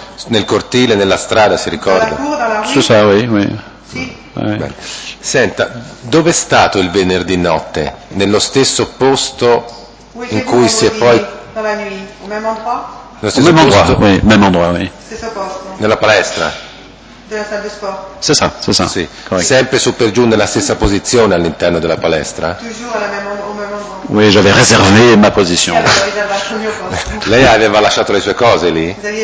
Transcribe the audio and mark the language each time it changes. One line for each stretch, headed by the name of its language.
Italian: Nel cortile, nella strada, si ricorda?
French: C'est ça, oui, oui.
Italian: Senta, dove è stato il venerdì notte? Nello stesso posto in cui si è poi...
French: Au même endroit, oui, même endroit, oui.
Italian: Nella palestra.
French: C'est ça, c'est ça.
Italian: Sì. Sempre su per giù nella stessa posizione all'interno della palestra.
French: Oui, j'avais réservé ma position.
Italian: Lei aveva lasciato le sue cose lì?